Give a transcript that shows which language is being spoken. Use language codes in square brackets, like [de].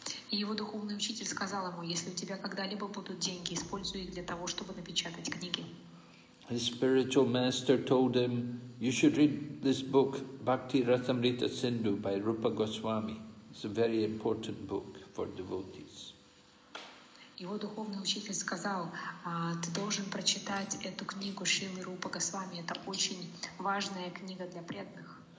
[ru] И его духовный учитель сказал ему, если у тебя когда-либо будут деньги, используй их для того, чтобы напечатать книги. [en] His spiritual master told him, you should read this book, Bhakti Rasamrita Sindhu by Rupa Goswami. It's a very important book for devotees. [ru] Его духовный учитель сказал, ты должен прочитать эту книгу Шрилы Рупа Госвами. Это очень важная книга для преданных.